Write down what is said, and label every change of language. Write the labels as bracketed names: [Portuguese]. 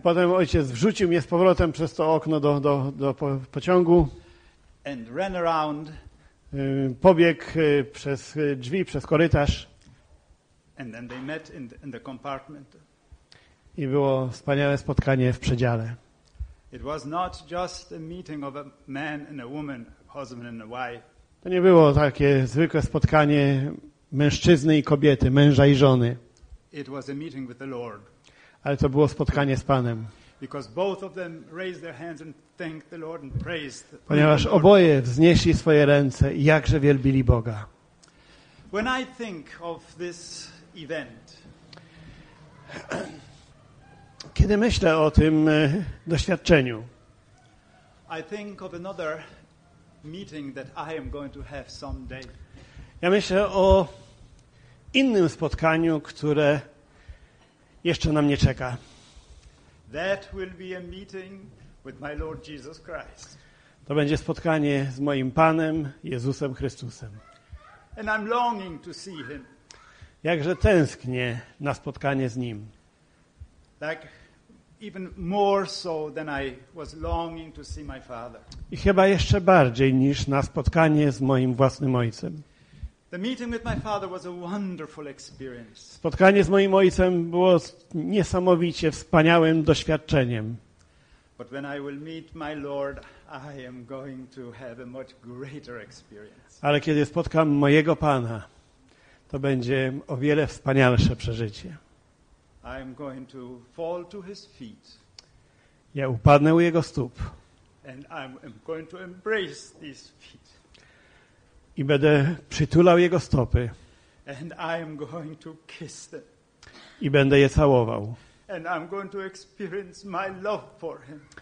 [Polish] Potem ojciec wrzucił mnie z powrotem przez to okno do pociągu. [English] And ran around. [Polish] Pobiegł przez drzwi, przez korytarz. [English] And then they met in the compartment. [Polish] I było wspaniałe spotkanie w przedziale. [English] It was not just a meeting of a man and a woman, husband and a wife. [Polish] To nie było takie zwykłe spotkanie mężczyzny i kobiety, męża i żony. [English] It was a meeting with the Lord. [Polish] Ale to było spotkanie z Panem. [English] Because both of them raised their hands and thanked the Lord and praised the Lord. [Polish] Ponieważ oboje wznieśli swoje ręce i jakże wielbili Boga. [English] When I think of this event, [Polish] kiedy myślę o tym doświadczeniu, [English] I think of another meeting that I am going to have someday. [Polish] Ja myślę o innym spotkaniu, które jeszcze na mnie czeka. [English] That will be a meeting with my Lord Jesus Christ. [Polish] To będzie spotkanie z moim Panem Jezusem Chrystusem. [English] And I'm longing to see him. [Polish] Jakże tęsknię na spotkanie z Nim. [English] Like even more so than I was longing to see my father. [Polish] I chyba jeszcze bardziej niż na spotkanie z moim własnym Ojcem. [English] The meeting with my father was a wonderful experience. [Polish] Spotkanie z moim ojcem było niesamowicie wspaniałym doświadczeniem. [English] But when I will meet my Lord, I am going to have a much greater experience. [Polish] Ale kiedy spotkam mojego Pana, to będzie o wiele wspanialsze przeżycie. [English] I am going to fall to his feet. [Polish] Ja upadnę u jego stóp. [English] And I am going to embrace these feet. [Polish] I będę przytulał jego stopy. [English] And I am going to kiss them. [Polish] I będę je całował. [English] And I'm going to experience my love for him.